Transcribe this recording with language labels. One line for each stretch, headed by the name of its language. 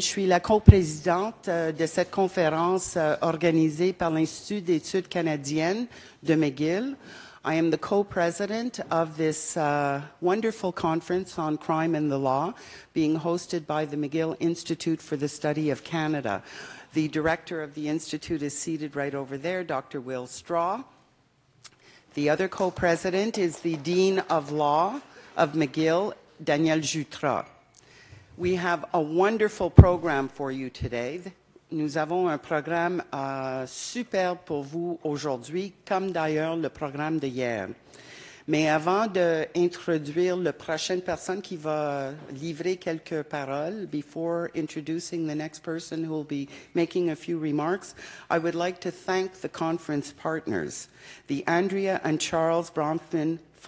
French: Je suis la coprésidente de cette conférence organisée par l'Institut d'études canadiennes de McGill.
English: I am the co-president of this wonderful conference on crime and the law, being hosted by the McGill Institute for the Study of Canada. The director of the institute is seated right over there, Dr. Will Straw. The other co-president is the dean of law of McGill, Daniel Jutras. We have a wonderful program for you today.
French: Nous avons un programme super pour vous aujourd'hui, comme d'ailleurs le programme d'hier. Mais avant d'introduire la prochaine personne qui va livrer quelques paroles,
English: before introducing the next person who will be making a few remarks, I would like to thank the conference partners, the Andrea and Charles Bronfman